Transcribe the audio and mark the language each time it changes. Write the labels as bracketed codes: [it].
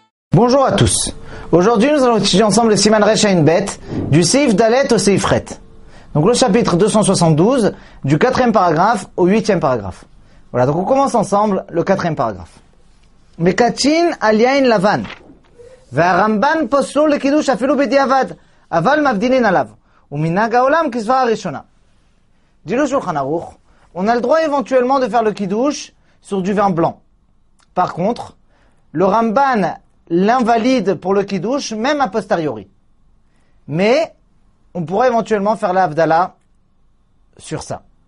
[fr] Bonjour à tous. Aujourd'hui, nous allons étudier ensemble le Siman Resh Ayin Bet du Seif Dalet au Seif Ret. Donc le chapitre 272 du 4e paragraphe au 8e paragraphe. Voilà, donc on commence ensemble le 4e paragraphe. [he] Mekatin aliyin lavan. והרמב"ן פסול לקידוש אפילו בדיעבד, אבל מבדילין עליו, ומנהג העולם כסברה הראשונה. דילו שולחן ערוך, [fr] on a le droit éventuellement de faire le kiddush sur du vin blanc. Par contre, le Ramban l'invalide pour le kiddush, même a posteriori. Mais, on pourrait éventuellement faire l'Avdala sur ça.